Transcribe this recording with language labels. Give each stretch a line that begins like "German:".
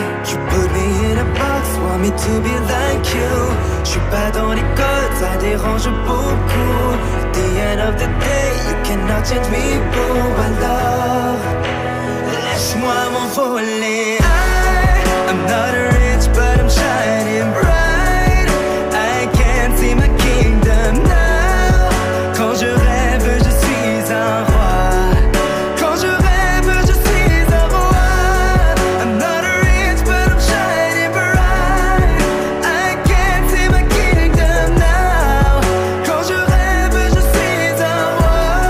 English: You put me in a box, want me to be like you.
French: Je suis pas dans les codes, ça dérange beaucoup.
English: End of the day, you cannot change me, boo.
French: Alors, laisse-moi m'envoler.
English: I'm not rich, but I'm shining bright. I can't see my kingdom now.
French: Quand je rêve, je suis un roi. Quand je rêve, je suis un roi.
English: I'm not rich, but I'm shining bright. I can't see my kingdom now.
French: Quand je rêve, je suis un roi.